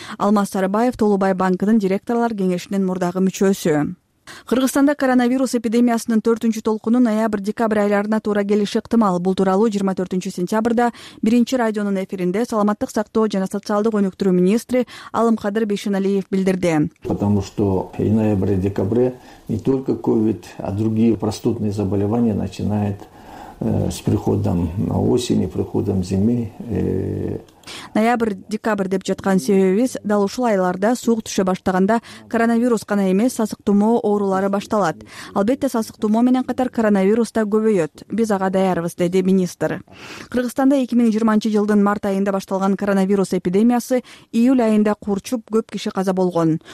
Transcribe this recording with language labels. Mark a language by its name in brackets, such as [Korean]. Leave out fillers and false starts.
[Kyrgyz] Алмаз Сарбаев Толубай банкынын директорлор кеңешинин мурдагы мүчөсү. Кыргызстанда коронавирус эпидемиясынын 4-толкунун ноябрь-декабрь айларына туура келиши ыктымал. Бул тууралуу 24 сентябрда 1-радионун эфиринде саламаттык сактоо жана социалдык өнүктүрүү министри Алымкадыр Бейшиналиев билдирди. [Russian] Потому что и ноябрь, и декабрь не только COVID, а другие простудные заболевания начинают с приходом осени, приходом зимы. [Kyrgyz] Ноябрь-декабрь деп жаткан себебибиз дал ушул айларда суук түшө баштаганда коронавирус гана эмес, сасык тумоо оорулары башталат. Албетте, сасык тумоо менен катар коронавирус да көбөйөт. Биз ага даярбыз, деди министр. Кыргызстанда 2020-жылдын март айында башталган коронавирус эпидемиясы июль айында курчуп, көп киши каза болгон.